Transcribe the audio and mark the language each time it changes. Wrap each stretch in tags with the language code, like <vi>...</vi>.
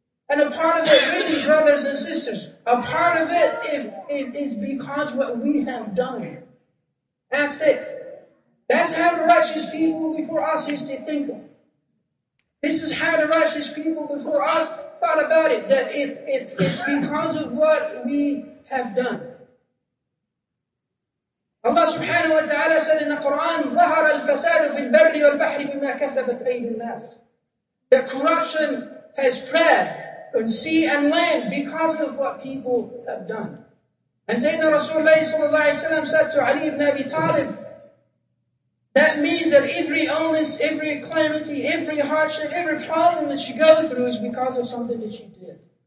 <en>And a part of it, really, brothers and sisters, a part of it is because what we have done. That's it. That's how the righteous people before us used to think of. This is how the righteous people before us thought about it, that it's because of what we have done. Allah subhanahu wa ta'ala said in the Quran,</en> <ar>ظَهَرَ الْفَسَادُ فِي الْبَرْدِ وَالْبَحْرِ بِمَا كَسَبَتْ أَيْدِ النَّاسِ.</ar> <en>The corruption has spread on sea and land because of what people have done. And Sayyidina Rasulullah sallallahu alayhi wa sallam said to Ali ibn Abi Talib, that means that every illness, every calamity, every hardship, every problem that you go through is because of something that you did.</en>